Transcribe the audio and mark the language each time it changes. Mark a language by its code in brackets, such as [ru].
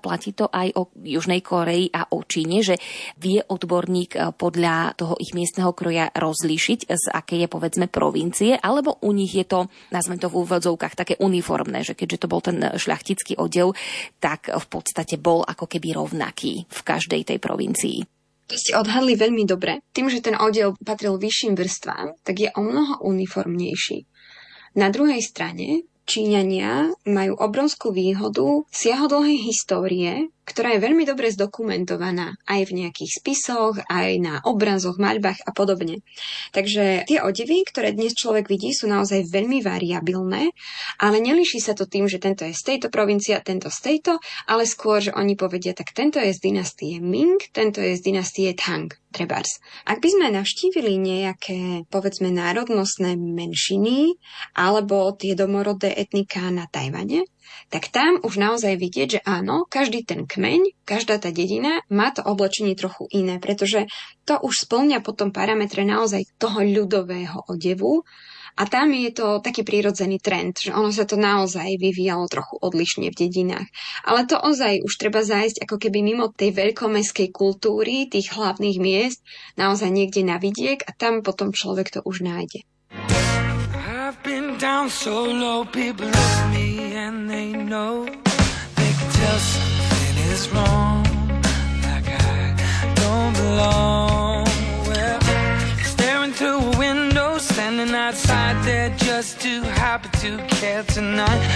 [sk] Platí to aj o Južnej Koreji a o Číne, že vie odborník podľa toho ich miestneho kroja rozlíšiť, z akej je povedzme provincie, alebo u nich je to, nazvem to v úvodzovkách, také uniformné, že keďže to bol ten šľachtický odev, tak v podstate bol ako keby rovnaký v každej tej provincii. To ste odhadli veľmi dobre. Tým, že ten odev patril vyšším vrstvám, tak je o mnoho uniformnejší. Na druhej strane, Číňania majú obrovskú výhodu siahodlhej histórie, ktorá je veľmi dobre zdokumentovaná aj v nejakých spisoch, aj na obrazoch, maľbách a podobne. Takže tie odevy, ktoré dnes človek vidí, sú naozaj veľmi variabilné, ale nelíši sa to tým, že tento je z tejto provincie a tento z tejto, ale skôr, že oni povedia, tak tento je z dynastie Ming, tento je z dynastie Tang, trebárs. Ak by sme navštívili nejaké, povedzme, národnostné menšiny alebo tie domorodé etniká na Tajvane, tak tam už naozaj vidieť, že áno, každý ten kmeň, každá tá dedina má to oblečenie trochu iné, pretože to už spĺňa potom parametre naozaj toho ľudového odevu a tam je to taký prírodzený trend, že ono sa to naozaj vyvíjalo trochu odlišne v dedinách. Ale to ozaj už treba zájsť ako keby mimo tej veľkomestskej kultúry, tých hlavných miest, naozaj niekde na vidiek a tam potom človek to už nájde. [en] I've been down so low, people love me and they know. They can tell something is wrong, like I don't belong. Well, staring through a window, standing outside, they're just too happy to care tonight.